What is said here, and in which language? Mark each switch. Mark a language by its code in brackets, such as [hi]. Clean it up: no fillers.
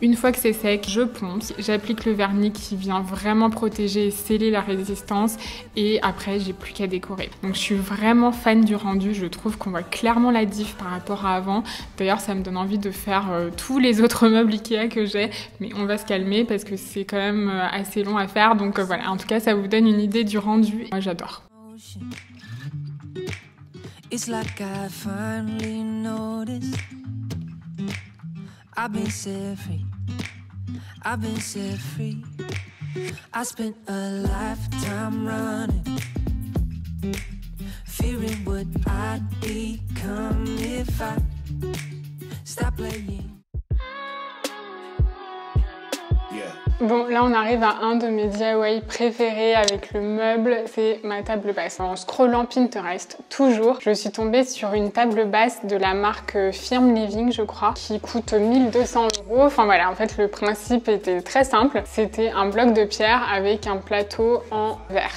[fr] Une fois que c'est sec, je ponce, j'applique le vernis qui vient vraiment protéger et sceller la résistance et après, j'ai plus qu'à décorer. Donc je suis vraiment fan du rendu, je trouve qu'on voit clairement la diff par rapport à avant. D'ailleurs, ça me donne envie de faire tous les autres meubles Ikea que j'ai, mais on va se calmer parce que c'est quand même assez long à faire, donc voilà, en tout cas ça vous donne une idée du rendu. Moi j'adore. [en] It's like I finally noticed I've been set free, I've been set free. I spent a lifetime running, fearing what I'd become if I stop playing. [fr] Bon, là on arrive à un de mes DIY préférés avec le meuble, c'est ma table basse. En scrollant Pinterest, toujours, je suis tombée sur une table basse de la marque Firm Living, je crois, qui coûte 1 200 €. Enfin voilà, en fait le principe était très simple, c'était un bloc de pierre avec un plateau en verre.